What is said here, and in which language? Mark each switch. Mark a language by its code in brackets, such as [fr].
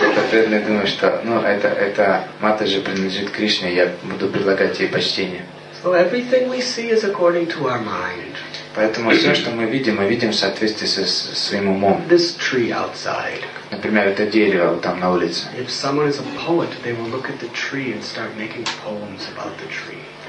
[ru] Преданный думает, что, ну, это Матаджи принадлежит Кришне, я буду предлагать ей почтение. [en] So everything we see is according to our mind. [ru] Поэтому все, что мы видим в соответствии со своим умом. [en] This tree outside. [ru] Например, это дерево там на улице. [en] If someone is a poet, they will look at the tree and start making poems about the tree.